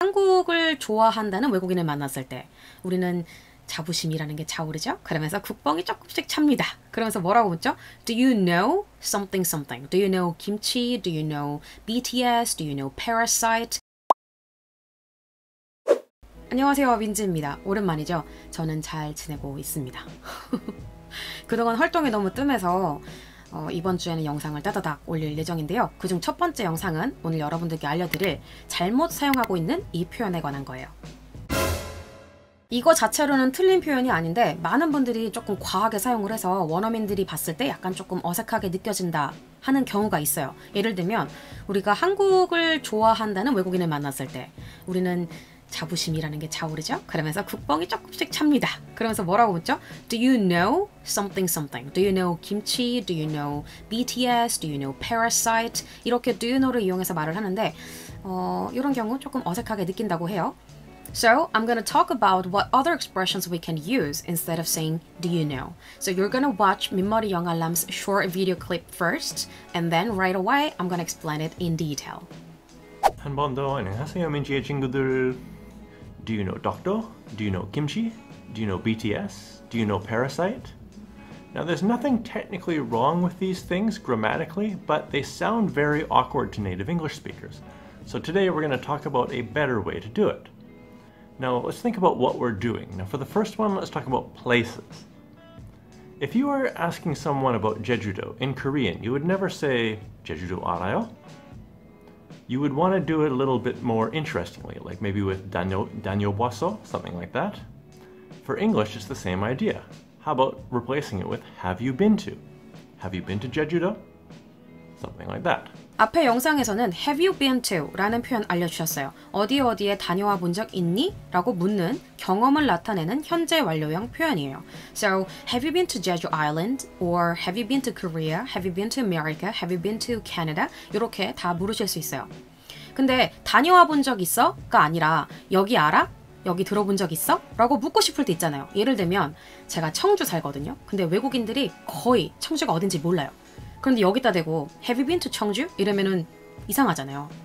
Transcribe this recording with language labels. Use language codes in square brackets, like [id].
[ko] 한국을 좋아한다는 외국인을 만났을 때 우리는 자부심이라는 게 차오르죠? 그러면서 국뽕이 조금씩 찹니다. 그러면서 뭐라고 묻죠? [en] Do you know something something? Do you know 김치? Do you know BTS? Do you know Parasite? [ko] 안녕하세요, 민지입니다. 오랜만이죠? 저는 잘 지내고 있습니다. 그동안 활동이 너무 뜸해서 이번 주에는 영상을 따다닥 올릴 예정인데요. 그중 첫 번째 영상은 오늘 여러분들께 알려드릴 잘못 사용하고 있는 이 표현에 관한 거예요. 이거 자체로는 틀린 표현이 아닌데 많은 분들이 조금 과하게 사용을 해서 원어민들이 봤을 때 약간 조금 어색하게 느껴진다 하는 경우가 있어요. 예를 들면 우리가 한국을 좋아한다는 외국인을 만났을 때 우리는 자부심이라는 게 차오르죠? 그러면서 국뽕이 조금씩 찹니다. 그러면서 뭐라고 묻죠? [en] Do you know something something? Do you know 김치? Do you know BTS? Do you know Parasite? [ko] 이렇게 [en] do you know [ko] 를 이용해서 말을 하는데 이런 경우 조금 어색하게 느낀다고 해요. [en] So I'm gonna talk about what other expressions we can use instead of saying do you know. So you're gonna watch 민머리 영 알람's short video clip first, and then right away I'm gonna explain it in detail. [ko] 한번더안녕하세요민지의친구들. [en] Do you know doctor? Do you know kimchi? Do you know BTS? Do you know parasite? Now there's nothing technically wrong with these things grammatically, but they sound very awkward to native English speakers. So today we're going to talk about a better way to do it. Now let's think about what we're doing. Now for the first one, let's talk about places. If you were asking someone about Jeju-do in Korean, you would never say Jeju-do [ko] 알아요? [en] You would want to do it a little bit more interestingly, like maybe with [ko] 다녀봤어, [en] something like that. For English, it's the same idea. How about replacing it with have you been to? Have you been to Jeju-do? Something like that. [ko] 앞에 영상에서는 [en] have you been to? [ko] 라는 표현 알려주셨어요. 어디 어디에 다녀와 본적 있니? 라고 묻는 경험을 나타내는 현재 완료형 표현이에요. [en] So, have you been to Jeju Island? Or have you been to Korea? Have you been to America? Have you been to Canada? [ko] 이렇게 다 물으실 수 있어요. 근데 다녀와 본 적 있어? 가 아니라 여기 알아? 여기 들어본 적 있어? 라고 묻고 싶을 때 있잖아요. 예를 들면 제가 청주 살거든요. 근데 외국인들이 거의 청주가 어딘지 몰라요. 그런데 여기다 대고 [en] Have you been to [ko] 청주? 이러면은 이상하잖아요.